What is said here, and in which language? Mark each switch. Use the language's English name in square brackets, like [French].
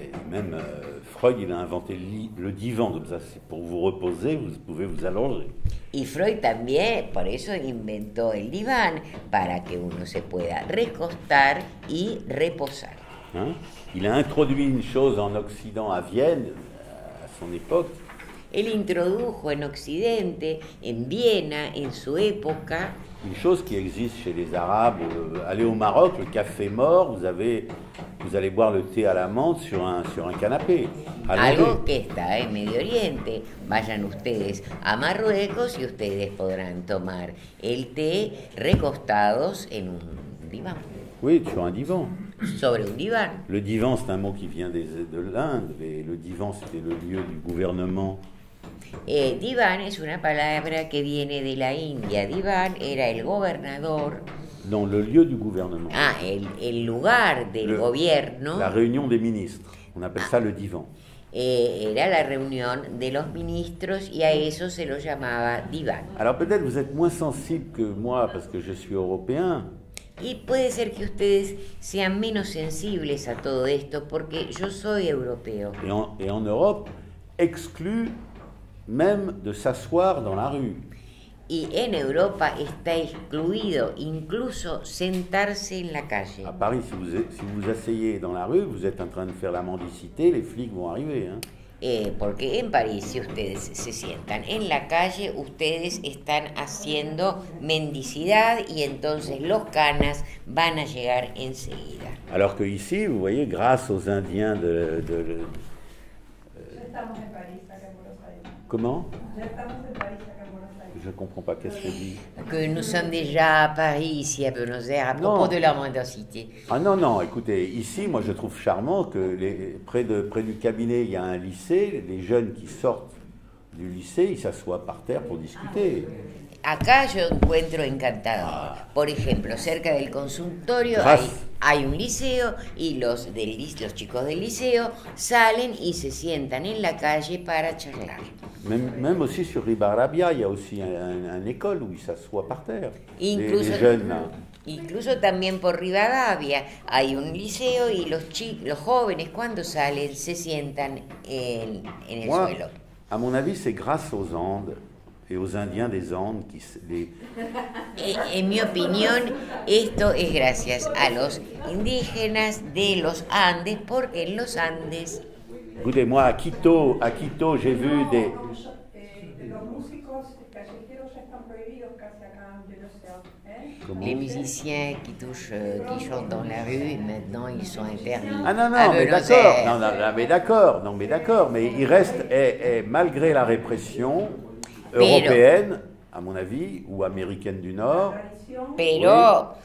[French] Même Freud, il a inventé le divan, comme ça, c'est pour vous reposer, vous pouvez vous allonger. [Spanish] Y Freud también, por eso inventó el diván, para que uno se pueda recostar y reposar. [French] Hein? Il a introduit une chose en Occident, à Vienne, à son époque. [Spanish] Él introdujo en Occidente, en Viena, en su época. [French] Une chose qui existe chez les Arabes, allez au Maroc, le café mort, vous allez boire le thé à la menthe sur un canapé. [Spanish] Algo que está en Medio Oriente. Vayan ustedes a Marruecos y ustedes podrán tomar el té recostados en un diván. [French] Oui, sur un divan. [Spanish] Sobre un divan. [French] Le divan, c'est un mot qui vient de l'Inde, mais le divan, c'était le lieu du gouvernement. [Spanish] Divan es una palabra que viene de la India. Divan era el gobernador. [French] Non, le lieu du gouvernement. [Spanish] Ah, el lugar del gobierno. [French] La réunion des ministres. On appelle ça le divan. [Spanish] Era la reunión de los ministros y a eso se lo llamaba divan. [French] Alors peut-être vous êtes moins sensible que moi parce que je suis européen. [Spanish] Y puede ser que ustedes sean menos sensibles a todo esto porque yo soy europeo. [French] Et en Europe, exclu même de s'asseoir dans la rue. [Spanish] Y en Europa está excluido incluso sentarse en la calle. [French] À Paris, si vous asseyez dans la rue, vous êtes en train de faire la mendicité, les flics vont arriver, hein. [Spanish] Porque en París, si ustedes se sientan en la calle, ustedes están haciendo mendicidad y entonces los canas van a llegar enseguida. [French] Alors que ici, vous voyez, grâce aux Indiens de [Spanish] Ya estamos en París, acá en Buenos Aires. [French] Comment? [Spanish] Ya estamos en París, acá en Buenos Aires. [French] Je ne comprends pas qu'est-ce que dit. Que nous sommes déjà à Paris, ici à Buenos Aires, à propos de la moindre cité. Ah non, non, écoutez, ici, moi je trouve charmant que près du cabinet, il y a un lycée, les jeunes qui sortent du lycée, ils s'assoient par terre pour discuter. [Spanish] Acá yo encuentro encantador. Ah. Por ejemplo, cerca del consultorio hay un liceo y los chicos del liceo salen y se sientan en la calle para charlar. [French] Même aussi sur Ribarabia, il y a aussi une école où ils s'assoient par terre. [Spanish] Incluso, [French] les jeunes. [Spanish] Incluso también por Rivadavia hay un liceo y los jóvenes cuando salen se sientan en el suelo. [French] À mon avis, c'est grâce aux Andes. Et aux Indiens des Andes qui les. [Spanish] En mi opinión, esto es gracias a los indígenas de los Andes, porque en los Andes. [French] Écoutez-moi, à Quito, j'ai vu des. [Spanish] Los músicos callejeros están prohibidos casi acá de los [French] Comment? Les musiciens qui touchent, qui chantent dans la rue, maintenant ils sont interdits. Ah non, non, mais d'accord. Non, mais d'accord. Mais ils restent, malgré la répression. Européenne, à mon avis, ou américaine du Nord, [Spanish] pero,